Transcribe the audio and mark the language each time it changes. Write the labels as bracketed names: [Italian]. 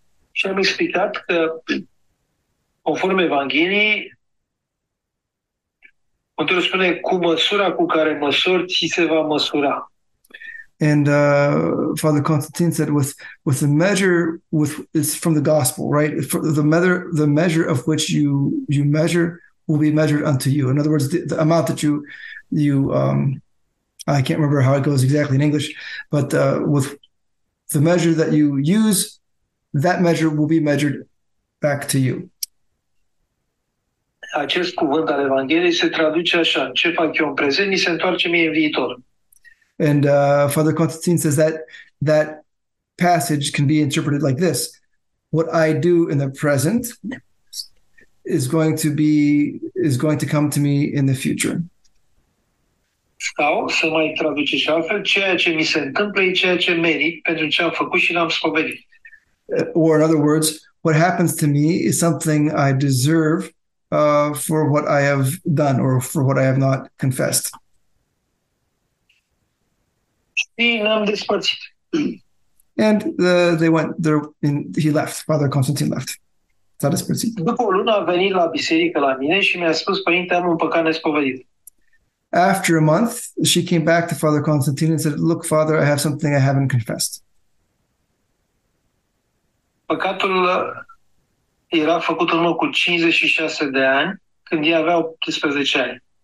[Romanian] Și am explicat că conform Evangheliei, Mântuirul spune cu măsura cu care măsori ți se va măsura. [English] And Father Constantine said with the measure with it's from the gospel, right? The measure of which you measure will be measured unto you. In other words, the amount that you I can't remember how it goes exactly in English, but with the measure that you use, that measure will be measured back to you. [Romanian] Acest cuvânt al Evangheliei se traduce așa, ce fac eu în prezent, mi se întoarce mie în viitor. [English] And Father Constantine says that passage can be interpreted like this. What I do in the present is going to come to me in the future. [Romanian] Sau să mai traduce și altfel, ceea ce mi se întâmplă e ceea ce merit pentru ce am făcut și n-am spovedit. [English] Or in other words, what happens to me is something I deserve for what I have done or for what I have not confessed. And they went there, in he left, Father Constantine left. [Romanian] S-a despărțit. După o lună a venit la biserică la mine și mi-a spus: Părinte, am un păcat nespovedit. [English] After a month, she came back to Father Constantine and said, look, Father, I have something I haven't confessed. [Romanian] Păcatul era făcut în locul 56 de ani, când ea avea 18 ani.